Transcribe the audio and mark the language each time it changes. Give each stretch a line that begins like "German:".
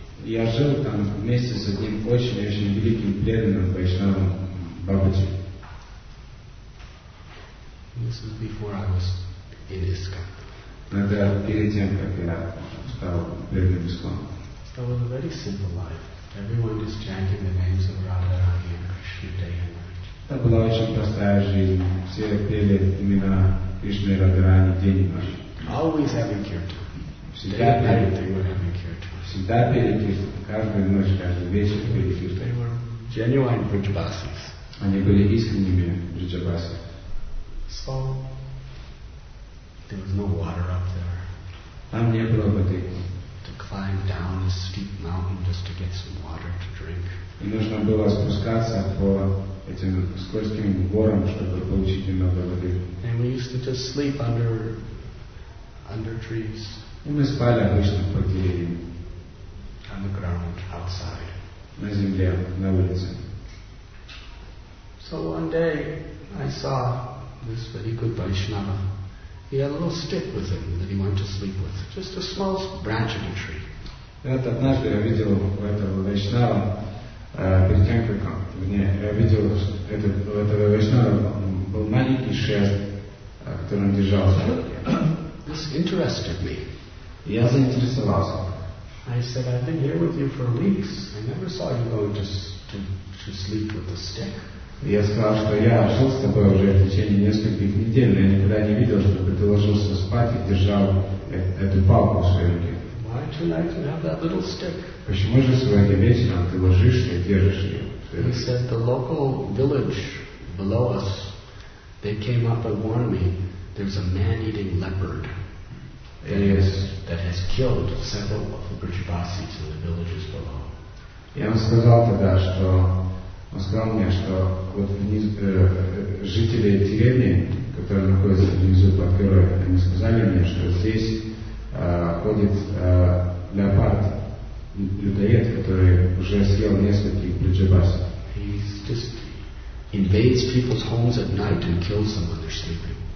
Russian: Я жил там вместе с одним очень-очень великим преданным Вайшнавом Бабаджи.
English: This was before I was in ISKCON.
Russian: Это перед тем, как я стал преданным ISKCON.
English: So it was a very simple life. Everyone is chanting the names of Radharani and Krishna day and night.
Russian: Это была очень простая жизнь. Все пели имена Кришны и Радхарани день и ночь.
English: Always having kirtan.
Russian: Всегда пели Кирту. Каждую ночь, каждый вечер пели Кирту.
English: They were genuine Vrijabasis.
Russian: Они были искренними Vrijabasis.
English: So, there was no water up there.
Russian: Там не было воды.
English: To climb down a steep mountain just to get some water to drink.
Russian: И нужно было спускаться по этим скользким горам, чтобы получить немного воды.
English: And we used to just sleep under trees.
Russian: И мы спали обычно под деревьями.
English: On the ground, outside.
Russian: На земле, на улице.
English: So one day I saw this very good Vaishnava. He had a little stick with him that he went to sleep with. Just a small branch of a tree.
Russian: Вот однажды я видел у этого Вайшнава, перед тем, как он, вернее, я видел, что у этого Вайшнава был маленький шест, который он держал.
English: This interested me.
Russian: Я заинтересовался.
English: I said, I've been here with you for weeks. I never saw you go to sleep with a stick.
Russian: Я сказал, что я жил с тобой уже в течение нескольких недель, но я никогда не видел, чтобы ты ложился спать и держал эту палку в своей руке.
English: Why tonight you have that little stick?
Russian: Почему же сегодня вечером ты ложишься и держишь ее?
English: He said, the local village below us, they came up and warned me, there's a man-eating leopard. that has killed several of the Brijavasis in the villages below.
Russian: Я вам сказал тогда, что он сказал мне, что вот вниз, жители деревни, которые находятся внизу под горой, они сказали мне, что здесь ходит леопард, людоед, который уже съел нескольких Брижабасов.
English: He just invades people's homes at night and kills them when they're sleeping.